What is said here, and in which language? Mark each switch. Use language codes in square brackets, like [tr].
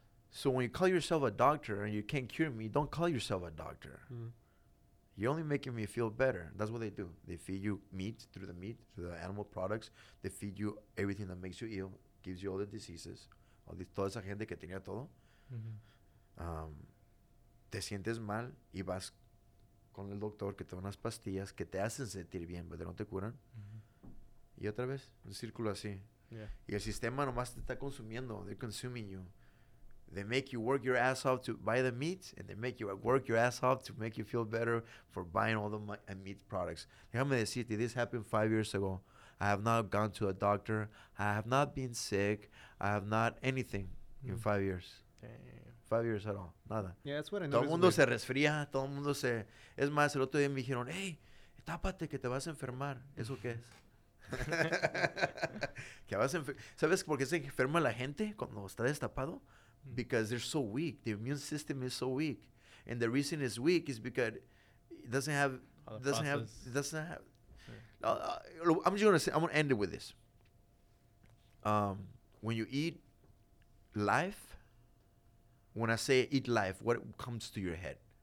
[en] So when you call yourself a doctor and you can't cure me, don't call yourself a doctor. Mm. You're only making me feel better. That's what they do. They feed you meat through the meat, through the animal products. They feed you everything that makes you ill, gives you all the diseases. All this, [es] toda esa gente que tenía todo. Mm-hmm. Te sientes mal y vas con el doctor que te da unas pastillas que te hacen sentir bien, pero no te curan. Mm-hmm. Y otra vez, un círculo así. [en] Yeah. [es] Y el sistema nomás te está consumiendo. [en] They're consuming you. They make you work your ass off to buy the meat, and they make you work your ass off to make you feel better for buying all the meat products. [es] Déjame decirte, [en] this happened 5 years ago. I have not gone to a doctor. I have not been sick. I have not anything in 5 years. Damn. 5 years at all. [es] Nada. [en] Yeah, that's what I noticed. [es] Todo el mundo se resfría. Todo el mundo se... Es más, el otro día me dijeron, hey, tápate que te vas a enfermar. ¿Eso qué es? Que vas a ¿Sabes por qué se enferma la gente cuando está destapado? [en] Because they're so weak. The immune system is so weak. And the reason it's weak is because it doesn't have I'm just gonna say, I'm gonna end it with this. When you eat life, when I say eat life, what comes to your head?